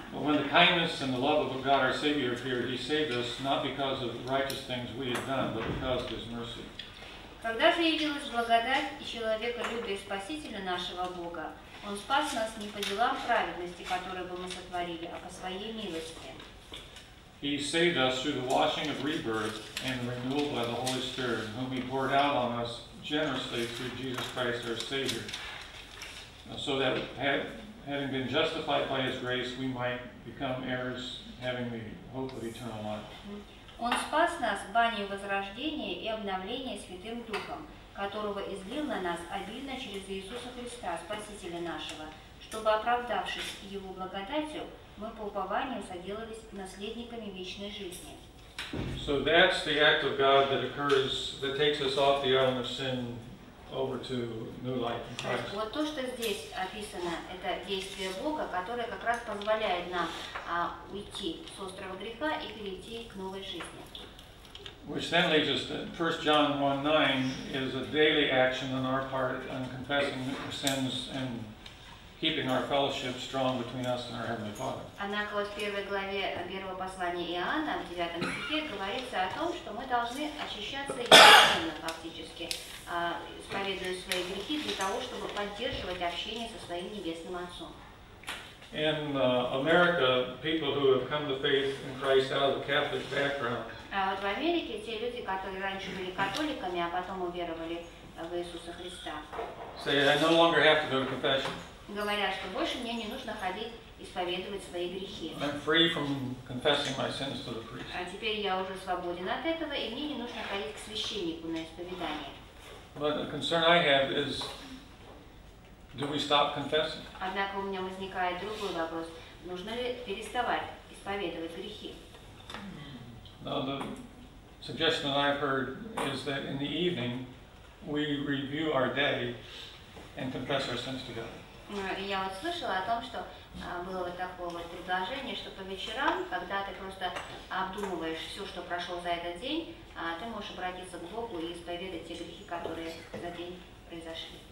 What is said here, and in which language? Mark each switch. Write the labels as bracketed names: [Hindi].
[English] But when the kindness and the love of God our Savior appeared, He saved us not because of righteous things we had done, but because of His mercy. [Russian] Когда же явилась благодать и человеколюбие Спасителя нашего Бога, Он спас нас не по делам праведности, которые бы мы сотворили, а по Своей милости. [English] He saved us through the washing of rebirth and renewal by the Holy Spirit, whom He poured out on us generously through Jesus Christ our Savior, so that having been justified by His grace, we might become heirs, having the hope of eternal life. [Russian] Он спас нас баней возрождения и обновления Святым Духом, которого излил на нас обильно через Иисуса Христа, Спасителя нашего, чтобы, оправдавшись Его благодатью, мы по упованию соделались наследниками вечной жизни. [English] So that's the act of God that occurs, that takes us off the island of sin over to new life in Christ. [Russian] Вот то, что здесь описано, это действие Бога, которое как раз позволяет нам уйти с острова греха и перейти к новой жизни. [English] Which then leads us to 1 John 1:9 is a daily action on our part in confessing our sins and keeping our fellowship strong between us and our Heavenly Father. [Russian] Однако в первой главе первого послания Иоанна, в 9 стихе, говорится о том, что мы должны очищаться ежедневно, фактически, исповедуя свои грехи для того, чтобы поддерживать общение со своим Небесным Отцом. [English] In America, people who have come to faith in Christ out of a Catholic background. [Russian] Вот в Америке те люди, которые раньше были католиками, а потом уверовали в Иисуса Христа, [English] say, I no longer have to go to confession. [Russian] Говорят, что больше мне не нужно ходить исповедовать свои грехи. [English] I'm free from confessing my sins to the priest. [Russian] А теперь я уже свободен от этого, и мне не нужно ходить к священнику на исповедание. [English] But the concern I have is, do we stop confessing? [Russian] Однако у меня возникает другой вопрос. Нужно ли переставать исповедовать грехи? [English] Now the suggestion that I've heard is that in the evening we review our day and confess our sins together. [Russian] Я вот слышала о том, что было вот такое вот предложение, что по вечерам, когда ты просто обдумываешь все, что прошло за этот день, ты можешь обратиться к Богу и исповедать те грехи, которые за день произошли.